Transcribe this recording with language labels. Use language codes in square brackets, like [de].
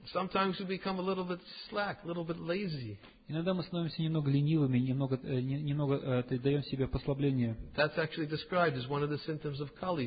[en] Sometimes we become a little bit slack, a little bit lazy. [ru] Иногда мы становимся немного ленивыми, немного даем себе послабление. [en] That's actually described as one of the symptoms of Kali.